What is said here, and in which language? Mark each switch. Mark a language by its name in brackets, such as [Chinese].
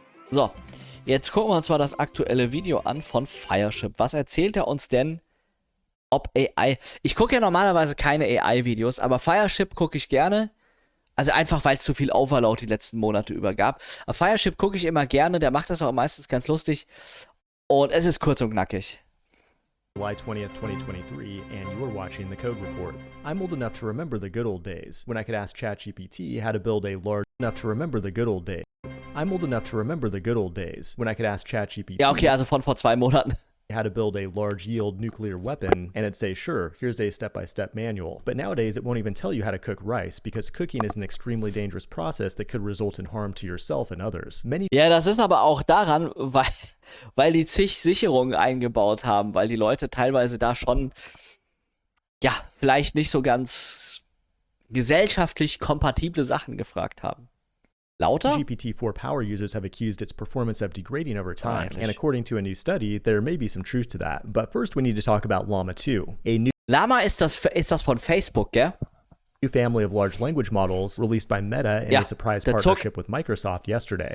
[German] So, jetzt gucken wir uns mal das aktuelle Video an von Fireship. Was erzählt er uns denn, ob AI. Ich gucke ja normalerweise keine AI-Videos, aber Fireship gucke ich gerne. Also einfach, weil es zu viel Overload die letzten Monate über gab. Aber Fireship gucke ich immer gerne, der macht das auch meistens ganz lustig. Und es ist kurz und knackig. [English] July 20th, 2023, and you're watching the Code Report. I'm old enough to remember the good old days when I could ask ChatGPT how to build a large enough to remember the good old days. I'm old enough to remember the good old days when I could ask ChatGPT. [German] Ja, okay, also von vor 2 Monaten. [English] How to build a large yield nuclear weapon, and it'd say, sure, here's a step-by-step manual. But nowadays, it won't even tell you how to cook rice, because cooking is an extremely dangerous process that could result in harm to yourself and others. Many. [German] Ja, das ist aber auch daran, weil die zig Sicherungen eingebaut haben, weil die Leute teilweise da schon, ja, vielleicht nicht so ganz gesellschaftlich kompatible Sachen gefragt haben. Lauter? [English] GPT-4 power users have accused its performance of degrading over time, and according to a new study, there may be some truth to that. But first, we need to talk about Llama 2. A new [German] Llama ist das von Facebook, gell? [English] New family of large language models released by Meta in a surprise partnership with Microsoft yesterday.